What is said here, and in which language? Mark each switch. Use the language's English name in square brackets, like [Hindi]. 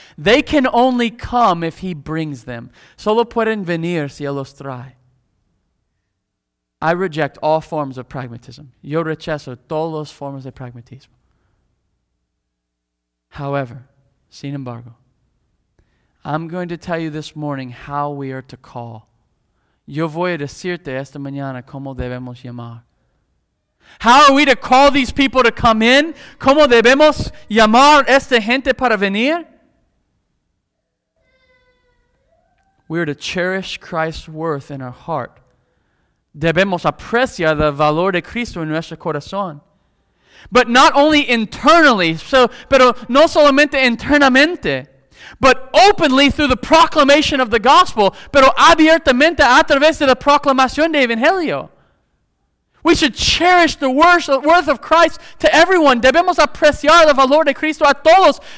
[English] They can only come if he brings them. [Spanish] Solo pueden venir si él los trae. [English] I reject all forms of pragmatism. [Spanish] Yo rechazo todas las formas de pragmatismo. [English] However, [Spanish] sin embargo, [English] I'm going to tell you this morning how we are to call. [Spanish] Yo voy a decirte esta mañana cómo debemos llamar. [English] How are we to call these people to come in? [Spanish] ¿Cómo debemos llamar esta gente para venir? [English] We are to cherish Christ's worth in our heart. [Spanish] Debemos apreciar el valor de Cristo en nuestro corazón. [English] But not only internally, [Spanish] pero no solamente internamente, [English] but openly through the proclamation of the gospel, [Spanish] pero abiertamente a través de la proclamación de Evangelio. [English] We should cherish the worth of Christ to everyone. [Spanish] Debemos apreciar el valor de Cristo a todos.